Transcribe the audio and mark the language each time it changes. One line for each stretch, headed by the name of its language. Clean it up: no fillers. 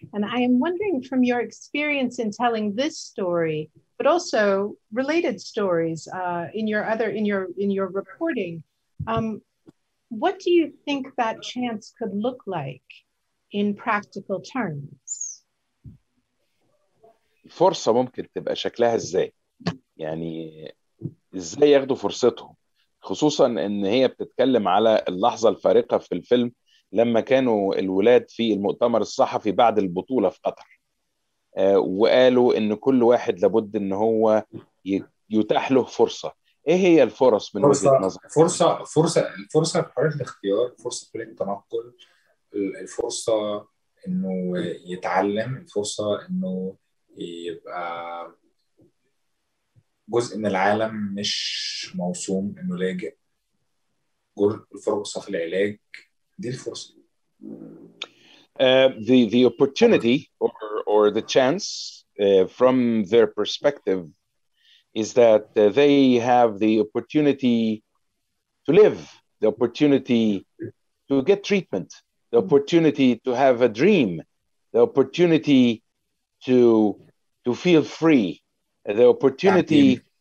English: And I am wondering, from your experience in telling this story, but also related stories in your reporting, what do you think that chance could look like in practical terms?
Arabic: فرصة ممكن تبقى شكلها ازاي، يعني ازاي ياخدوا فرصتهم، خصوصا ان هي بتتكلم على اللحظة الفارقة في الفيلم لما كانوا الولاد في المؤتمر الصحفي بعد البطولة في قطر، وقالوا ان كل واحد لابد ان هو يتاح له فرصة. ايه هي الفرص من فرصة وجهة نظرك؟ فرصة فرصة الفرصة حرية الاختيار، فرصة حرية التنقل، الفرصة إنه يتعلم، الفرصة إنه يبقى جزء من العالم مش موسوم إنه لاجئ، الفرصة في العلاج، دي الفرصة.
English: The opportunity or the chance from their perspective is that they have the opportunity to live, the opportunity to get treatment, the opportunity to have a dream, the opportunity to feel free, the opportunity